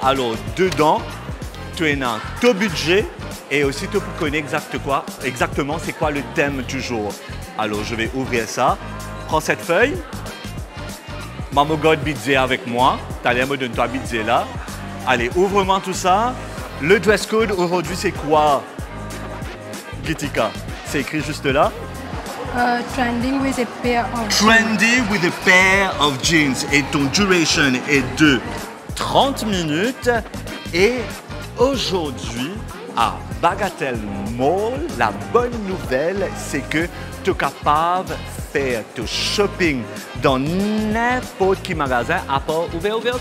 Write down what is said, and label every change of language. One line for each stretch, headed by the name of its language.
French: Alors, dedans, tu es dans ton budget et aussi tu peux connaître exactement c'est quoi le thème du jour. Alors, je vais ouvrir ça. Prends cette feuille. Maman God Bidze avec moi. Tu as l'air de donner toi Bidze là. Allez, ouvre-moi tout ça. Le dress code aujourd'hui, c'est quoi, Gitika? C'est écrit juste là.
English: Trending with a pair of jeans. Trending with a pair of jeans.
French: Et ton duration est de 30 minutes. Et aujourd'hui, à Bagatelle Mall, la bonne nouvelle, c'est que tu es capable de faire ton shopping dans n'importe quel magasin à part ouvert.